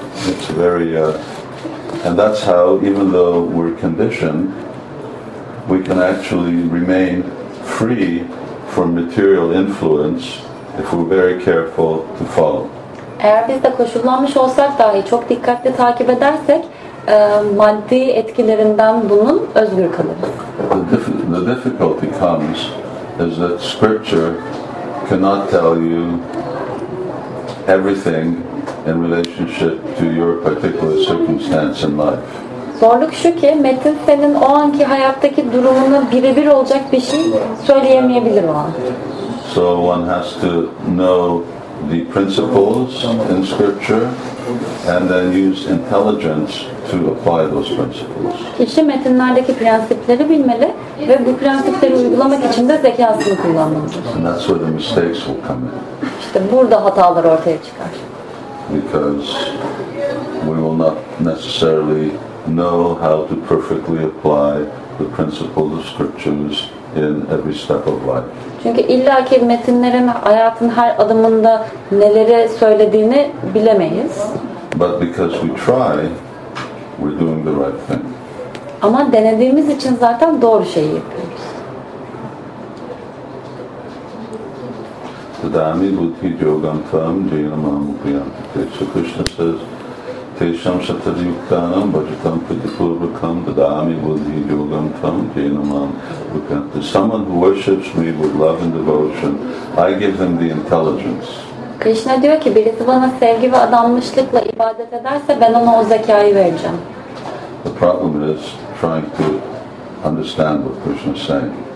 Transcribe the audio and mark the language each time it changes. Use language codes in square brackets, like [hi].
[en] It's very, and that's how, even though we're conditioned, we can actually remain free from material influence if we're very careful to follow. [tr] Eğer biz de koşullanmış olsak dahi çok dikkatli takip edersek, maddi etkilerinden bunun özgür kalır. [en] The difficulty comes is that scripture cannot tell you everything in relationship to your particular circumstance in life. [tr] Zorluk şu ki metin senin o anki hayattaki durumunu birebir olacak bir şey söyleyemeyebilir o an. [en] So one has to know the principles in scripture and then use intelligence to apply those principles. [tr] Kişi metinlerdeki prensipleri bilmeli ve bu prensipleri uygulamak için de zekasını kullanmalıdır. [en] And that's where the mistakes will come in. [tr] İşte burada hatalar ortaya çıkar. [en] Because we will not necessarily know how to perfectly apply the principles of scriptures in every step of life. [tr] Çünkü illaki metinlerin hayatın her adımında neleri söylediğini bilemeyiz. [en] But because we try, we're doing the right thing. [tr] Ama denediğimiz için zaten doğru şeyi yapıyoruz. [sa] Tadami buddhi yogam tvam jayanamam upriyam. [en] So Krishna says, [sa] Tesham satari yuktanam bhajatam pitipurvakam tadami buddhi yogam tvam jayanamam upriyam. [en] To someone who worships me with love and devotion, I give them the intelligence. [tr] Krishna diyor ki, birisi bana sevgi ve adanmışlıkla ibadet ederse ben ona o zekayı vereceğim. [en] The problem is trying to understand what Krishna is saying.